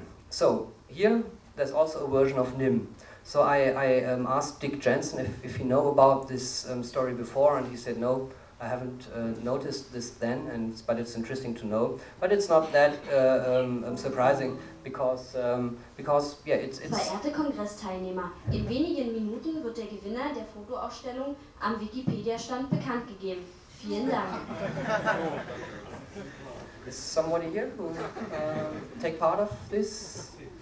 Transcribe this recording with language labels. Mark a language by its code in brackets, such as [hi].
[en] So here, there's also a version of NIM. So I asked Dick Jensen if he know about this story before, and he said, no, I haven't noticed this then, but it's interesting to know. But it's not that surprising, because it's... [de] Verehrte Kongressteilnehmer, in wenigen Minuten wird der Gewinner der Fotoausstellung am Wikipedia-Stand bekannt gegeben. Vielen Dank. [en] Is somebody here who take part of this?